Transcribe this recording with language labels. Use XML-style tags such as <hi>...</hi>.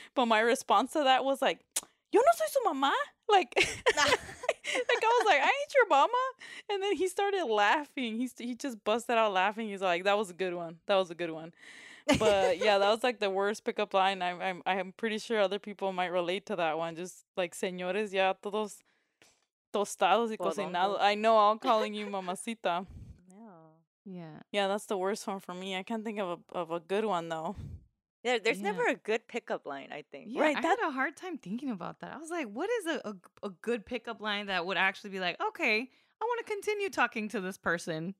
<en>But my response to that was like,</en> <es>yo no soy su mama.</es> <en>Like, nah. Like, I was like, I ain't your mama. And then he started laughing. He just busted out laughing. He's like, that was a good one. That was a good one. But yeah, that was like the worst pickup line. I'm pretty sure other people might relate to that one.</en> <es>Just like, señores ya todos tostados y cocinados.</es> <en>I know, I'm calling you mamacita. Yeah. Yeah, that's the worst one for me. I can't think of a good one, though. Yeah, there's never a good pickup line, I think. Yeah, right. I had a hard time thinking about that. I was like, what is a good pickup line that would actually be like, okay, I want to continue talking to this person.</en>